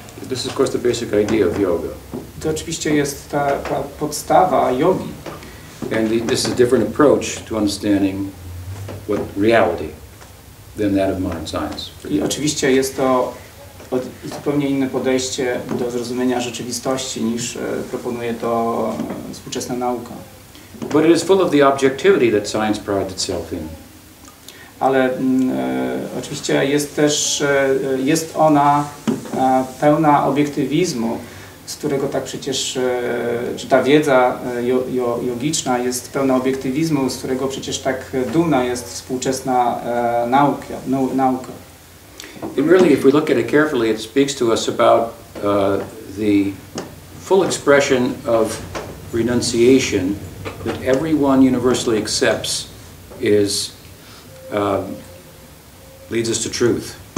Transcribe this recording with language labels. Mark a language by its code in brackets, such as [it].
[en] This is of course the basic idea of yoga. [pl] To oczywiście jest ta podstawa jogi. [en] And this is a different approach to understanding what reality than that of modern science. [pl] I oczywiście jest to zupełnie inne podejście do zrozumienia rzeczywistości niż proponuje to współczesna nauka. [en] But it is full of the objectivity that science prides itself in. [pl] Ale oczywiście jest też jest ona pełna obiektywizmu, z którego tak przecież czy ta wiedza jogiczna jest pełna obiektywizmu, z którego przecież tak dumna jest współczesna nauka. [en] And really, if we look at it carefully, it speaks to us about the full expression of renunciation that everyone universally accepts is leads us to truth.